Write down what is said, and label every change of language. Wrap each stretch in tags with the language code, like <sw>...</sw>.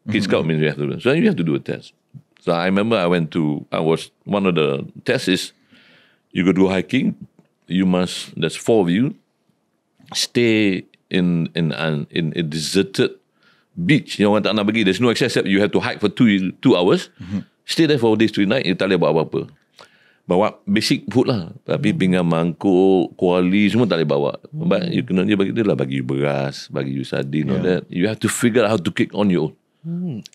<en>King Scout means you have to do a test. So I remember I was one of the tests is you could go hiking. You must, there's four of you, stay in a deserted beach. You know,</en> <ms>tak nak pergi,</ms> <en>there's no access, except you have to hike for two hours. Stay there for days, three nights. You</en> <ms>tak boleh buat apa-apa. Bawa</ms> <en>basic food lah.</en> <ms>Tapi pinggan mangkuk, kuali, semua tak boleh bawa.</ms> <en>But you</en> <ms>kena dia bagi dia lah. Bagi you beras, bagi you sardine,</ms> <en>all that. You have to figure out how to kick on your own.</en>